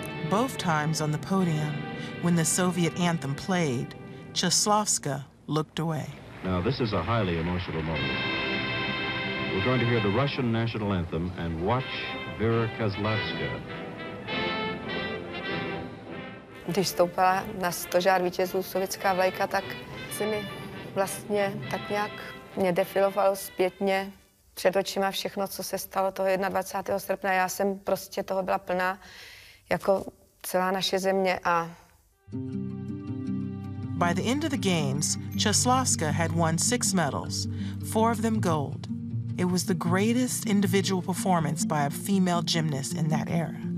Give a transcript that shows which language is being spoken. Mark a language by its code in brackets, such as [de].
[en] Both times on the podium, when the Soviet anthem played, Chislovska looked away. Now, this is a highly emotional moment. We're going to hear the Russian national anthem and watch Vera Chislovska. [cs] Když stoupala na stožár vítězů sovětská vlajka, tak se mi vlastně tak nějak mě defilovalo zpětně před očima všechno, co se stalo toho 21. srpna. Já jsem prostě toho byla plná, jako celá naše země a... [en] By the end of the games, Chislovska had won 6 medals, 4 of them gold. It was the greatest individual performance by a female gymnast in that era.